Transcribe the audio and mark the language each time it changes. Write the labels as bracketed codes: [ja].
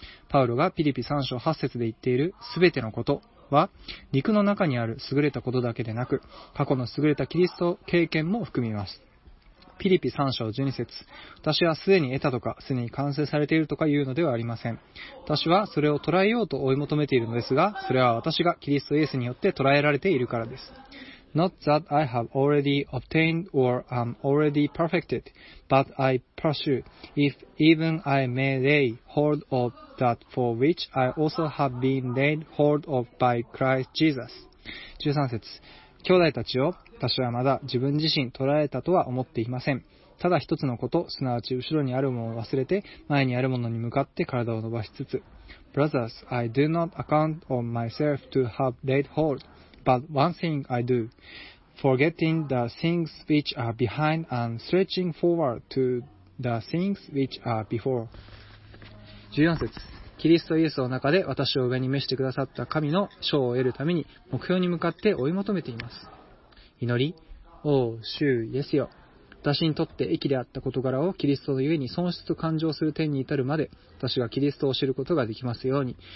[ja] パウロがピリピ3章8節で言っているすべてのことは、肉の中にある優れたことだけでなく、過去の優れたキリスト経験も含みます。ピリピ3章12節、私はすでに得たとか、すでに完成されているとかいうのではありません。私はそれを捉えようと追い求めているのですが、それは私がキリストイエスによって捉えられているからです。 [en] Not that I have already obtained or am already perfected, but I pursue, if even I may lay hold of that for which I also have been laid hold of by Christ Jesus. [ja] 13節、兄弟たちよ、私はまだ自分自身捉えたとは思っていません。ただ一つのこと、すなわち後ろにあるものを忘れて、前にあるものに向かって体を伸ばしつつ。 [en] Brothers, I do not account on myself to have laid hold. But one thing I do, forgetting the things which are behind and stretching forward to the things which are before. [ja] 14節、キリストイエスの中で私を上に召してくださった神の賞を得るために目標に向かって追い求めています。祈り、おう、主イエスよ。私にとって益であった事柄をキリストのゆえに損失と勘定する点に至るまで、私がキリストを知ることができますように。